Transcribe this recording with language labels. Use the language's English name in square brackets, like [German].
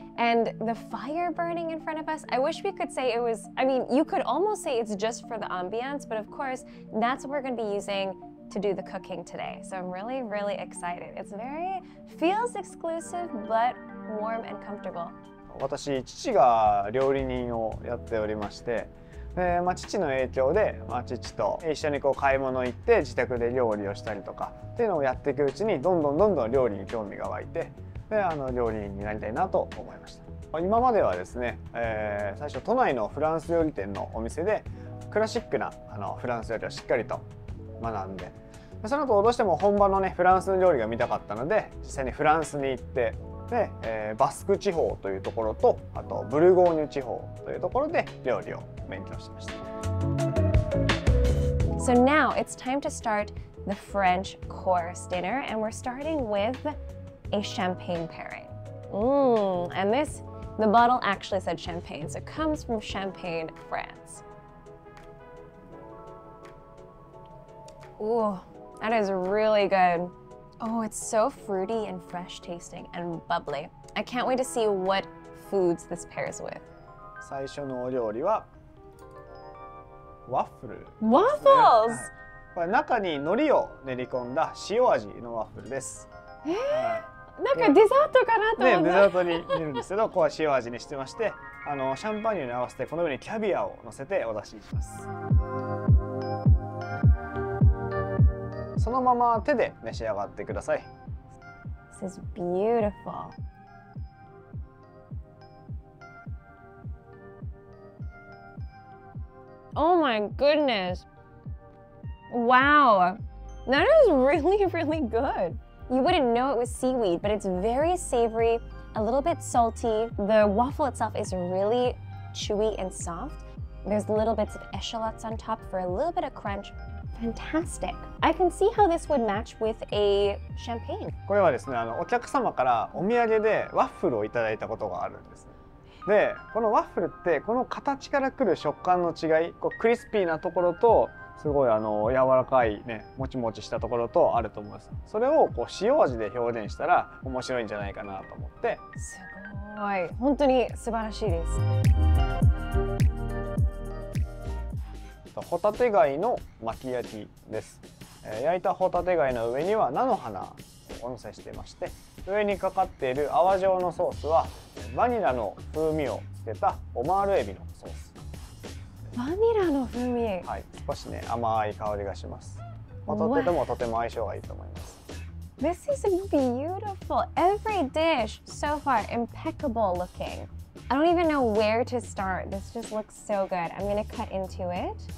[English] And the fire burning in front of us, I wish we could say it was... I mean, you could almost say it's just for the ambiance, but of course, that's what we're going to be using to do the cooking today. So I'm really, really excited. It's very... feels exclusive, but warm and comfortable. [Japanese] 私父が料理人をやっておりまして、で、まあ、父の影響で、まあ、父と一緒にこう買い物行って自宅で料理をしたりとかっていうのをやっていくうちに、どんどんどんどん料理に興味が湧いて、で、あの料理人になりたいなと思いました。今まではですね、最初都内のフランス料理店のお店でクラシックなあのフランス料理をしっかりと学んで、その後どうしても本場のねフランスの料理が見たかったので、実際にフランスに行って、で、バスク地方というところと、あとブルゴーニュ地方というところで料理を勉強しました。 [English] So now it's time to start the French course dinner, and we're starting with a champagne pairing. And this, the bottle actually said champagne, so it comes from Champagne, France. Ooh, that is really good. Oh, it's so fruity and fresh tasting and bubbly. I can't wait to see what foods this pairs with. [Japanese] 最初のお料理は waffle. [English] Waffles! [Japanese] これ中に海苔を練り込んだ塩味のワッフルです。なんかデザートかなと思った。デザートに入れるんですけど、ここは塩味にしてまして、あのシャンパーニュに合わせてこの上にキャビアを乗せてお出しします。そのまま手で召し上がってください。 [English] This is beautiful. Oh my goodness! Wow! That is really, really good! You wouldn't know it was seaweed, but it's very savory, a little bit salty. The waffle itself is really chewy and soft. There's little bits of eschalots on top for a little bit of crunch. Fantastic. I can see how this would match with a champagne. [Japanese] これはですね、あのお客様からお土産でワッフルをいただいたことがあるんです。で、このワッフルってこの形からくる食感の違い、こうクリスピーなところとすごいあの柔らかいね、もちもちしたところとあると思います。それをこう塩味で表現したら面白いんじゃないかなと思って。すごい。本当に素晴らしいです。ホタテ貝の巻き焼きです。焼いたホタテ貝の上には菜の花をお乗せしてまして、上にかかっている泡状のソースはバニラの風味をつけたオマールエビのソース。バニラの風味。はい、少しね甘い香りがします。ホタテともとても相性がいいと思います。 [English] This is beautiful. Every dish so far impeccable looking. I don't even know where to start. This just looks so good. I'm gonna cut into it.